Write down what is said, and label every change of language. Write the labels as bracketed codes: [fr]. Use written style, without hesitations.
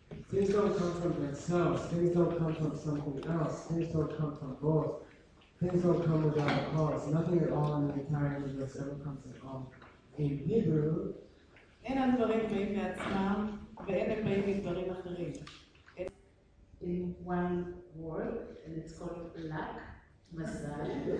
[en] Things don't come from themselves. Things don't come from something else. Things don't come from God. Things don't come without a cause. Nothing at all in the entire universe ever comes at all. In Hebrew, [he] אין הדברים באים מעצמם, ואין הם באים מדברים אחרים. [en] In one word, and it's called luck, מזל.